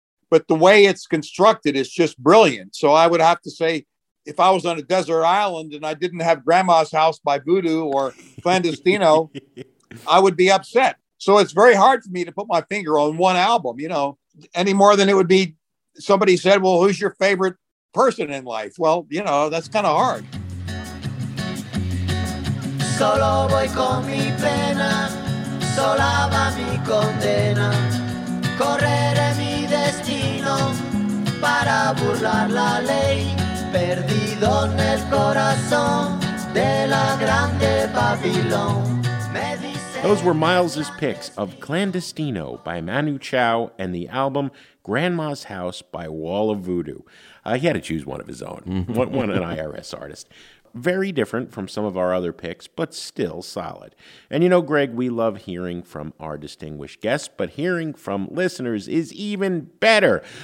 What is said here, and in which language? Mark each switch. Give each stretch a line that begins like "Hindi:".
English: but the way it's constructed is just brilliant. So I would have to say, if I was on a desert island and I didn't have Grandma's House by Voodoo or Clandestino, I would be upset. So it's very hard for me to put my finger on one album, you know, any more than it would be somebody said, well, who's your favorite person in life? Well, you know, that's kind of hard.
Spanish: Solo voy con mi pena, sola va mi condena, correré mi destino para burlar la ley, perdido en el corazón de la grande Babilón.
English: Those were Miles's picks of Clandestino by Manu Chao and the album Grandma's House by Wall of Voodoo. He had to choose one of his own, one an IRS artist. Very different from some of our other picks, but still solid. And you know, Greg, we love hearing from our distinguished guests, but hearing from listeners is even better.